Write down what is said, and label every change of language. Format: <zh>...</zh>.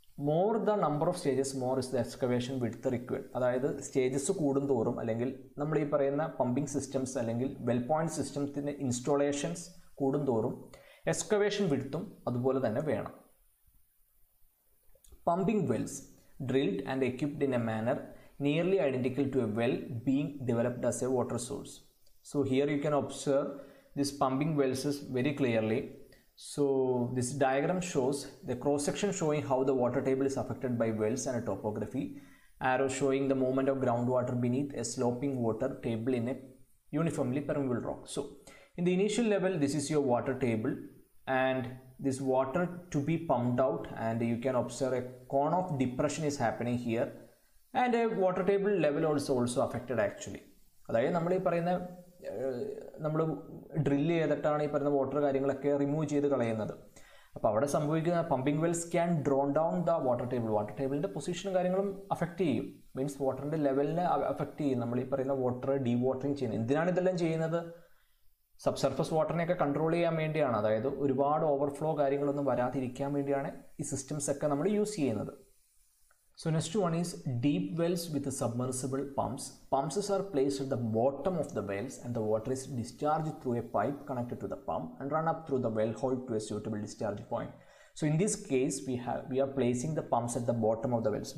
<en>More the number of stages more is the excavation width required.</en> <ml>അതായത് stages കൂടുന്തോറും അല്ലെങ്കിൽ നമ്മൾ ഈ പറയുന്ന പമ്പിംഗ് സിസ്റ്റംസ് അല്ലെങ്കിൽ വെൽ പോയിൻറ്റ് സിസ്റ്റംസിൻ്റെ ഇൻസ്റ്റോളേഷൻസ് കൂടുന്തോറും എക്സ്കവേഷൻ വിഡ്ത്തും അതുപോലെ തന്നെ വേണം.</ml> <en>Pumping wells drilled and equipped in a manner nearly identical to a well being developed as a water source. So here you can observe this pumping wells is very clearly. So this diagram shows the cross section showing how the water table is affected by wells and a topography. Arrow showing the movement of groundwater beneath a sloping water table in a uniformly permeable rock. So in the initial level, this is your water table and this water to be pumped out, and you can observe a cone of depression is happening here and a water table level also affected actually.</en> <ml>അതായത് നമ്മൾ ഈ പറയുന്ന നമ്മൾ drill ചെയ്തിട്ടാണ് ഈ പറയുന്ന water കാര്യങ്ങളൊക്കെ remove ചെയ്ത് കളയുന്നത്. അപ്പോൾ അവിടെ സംഭവിക്കുന്ന</ml> <en>Pumping wells can drawn down the water table.</en> <ml>Water ടേബിളിൻ്റെ പൊസിഷനും കാര്യങ്ങളും അഫക്റ്റ് ചെയ്യും. മീൻസ് വാട്ടറിൻ്റെ ലെവലിനെ അഫക്റ്റ് ചെയ്യും നമ്മൾ ഈ പറയുന്ന വാട്ടർ ഡീ വാട്ടറിങ് ചെയ്യുന്നത്. എന്തിനാണ് ഇതെല്ലാം ചെയ്യുന്നത്? സബ്സർഫസ് വാട്ടറിനെയൊക്കെ കൺട്രോൾ ചെയ്യാൻ വേണ്ടിയാണ്. അതായത് ഒരുപാട് ഓവർഫ്ലോ കാര്യങ്ങളൊന്നും വരാതിരിക്കാൻ വേണ്ടിയാണ് ഈ സിസ്റ്റംസൊക്കെ നമ്മൾ യൂസ് ചെയ്യുന്നത്.</ml> <en>So next one is deep wells with submersible pumps. Pumps are placed at the bottom of the wells and the water is discharged through a pipe connected to the pump and run up through the well hole to a suitable discharge point. So in this case we are placing the pumps at the bottom of the wells.</en>